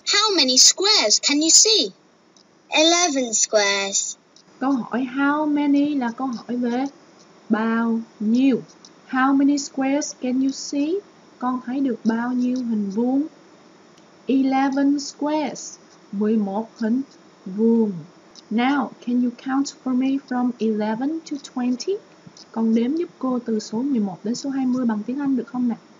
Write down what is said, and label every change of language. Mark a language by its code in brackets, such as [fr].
[en] how many squares can you see? 11 squares. [vi] Câu hỏi [en] how many [vi] là câu hỏi về bao nhiêu. [en] How many squares can you see? [vi] Con thấy được bao nhiêu hình vuông? [en] 11 squares. [vi] 11 hình vuông. [en] Now, can you count for me from 11 to 20? [vi] Con đếm giúp cô từ số 11 đến số 20 bằng tiếng Anh được không nè?